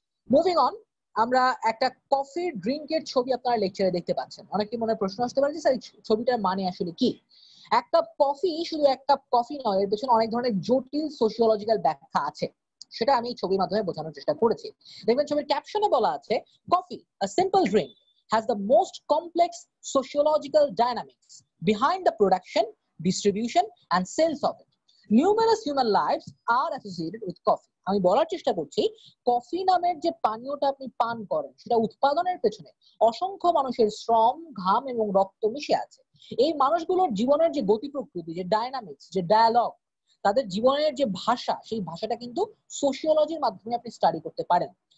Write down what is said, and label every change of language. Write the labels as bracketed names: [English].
[Bangla] Moving on, আমরা একটা coffee ড্রিঙ্কের ছবি আপনারা লেকচারে দেখতে পাচ্ছেন। অনেকে মনে প্রশ্ন আসতে পারে যে স্যার ছবিটার মানে আসলে কি। এক কাপ কফি শুধু এক কাপ কফি নয়, এর পেছনে অনেক ধরনের জটিল সোশিওলজিক্যাল ব্যাখ্যা আছে, সেটা আমি এই ছবির মাধ্যমে বোঝানোর চেষ্টা করেছি। দেখবেন ছবির ক্যাপশনে বলা আছে, [English] Coffee a simple drink has the most complex sociological dynamics behind the production, distribution and sales of it. Numerous human lives are associated with coffee. [Bangla] আমি বলার চেষ্টা করছি কফি নামের যে পানীয়টা আপনি পান করেন সেটা উৎপাদনের পেছনে অসংখ্য মানুষের শ্রম, ঘাম এবং রক্ত মিশে আছে। এই মানুষগুলোর জীবনের যে গতি প্রকৃতি, যে ডায়নামিক্স, যে ডায়ালগ, তাদের জীবনের যে ভাষা, সেই ভাষাটা কিন্তু সোশিওলজির মাধ্যমে আপনি স্টাডি করতে পারেন।